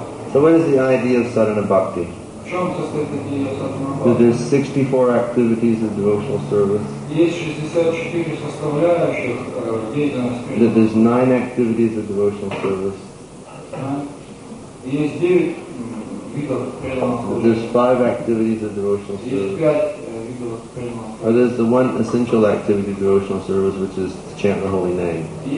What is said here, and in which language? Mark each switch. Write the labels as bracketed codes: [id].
[en] So what is the idea of sadhana bhakti? [ru] В чем состоит идея садхана бхакти? [en] That there's 64 activities of devotional service. [ru] Есть 64 составляющих деятельности. [en] That there's 9 activities of devotional service. [ru] Есть 9 видов преданного служения. [en] There's 5 activities of devotional service. Or there's the one essential activity of devotional service, which is to chant the holy name.